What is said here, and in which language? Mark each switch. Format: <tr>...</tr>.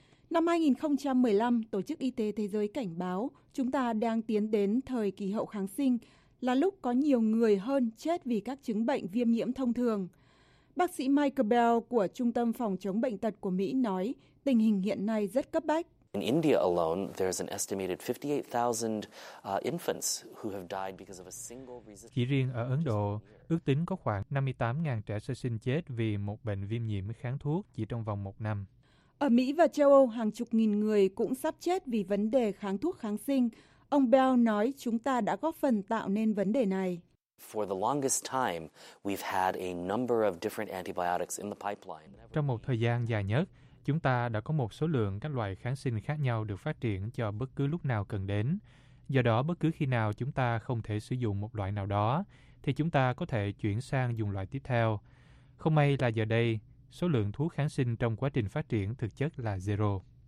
<vi>Năm 2015, Tổ chức Y tế Thế giới cảnh báo chúng ta đang tiến đến thời kỳ hậu kháng sinh, là lúc có nhiều người hơn chết vì các chứng bệnh viêm nhiễm thông thường. Bác sĩ Michael Bell của Trung tâm Phòng chống bệnh tật của Mỹ nói tình hình hiện nay rất cấp bách.</vi> <en>In India alone, there's an estimated 58,000 infants who have died because of a single resistant.</en> <vi>Chỉ riêng ở Ấn Độ, ước tính có khoảng 58,000 trẻ sơ sinh chết vì một bệnh viêm nhiễm kháng thuốc chỉ trong vòng một năm. Ở Mỹ và châu Âu, hàng chục nghìn người cũng sắp chết vì vấn đề kháng thuốc kháng sinh. Ông Bell nói chúng ta đã góp phần tạo nên vấn đề này.</vi> <en>For the longest time, we've had a number of different antibiotics in the pipeline.</en> <vi>Trong một thời gian dài nhất, chúng ta đã có một số lượng các loại kháng sinh khác nhau được phát triển cho bất cứ lúc nào cần đến. Do đó, bất cứ khi nào chúng ta không thể sử dụng một loại nào đó, thì chúng ta có thể chuyển sang dùng loại tiếp theo. Không may là giờ đây, số lượng thuốc kháng sinh trong quá trình phát triển thực chất là zero.</vi>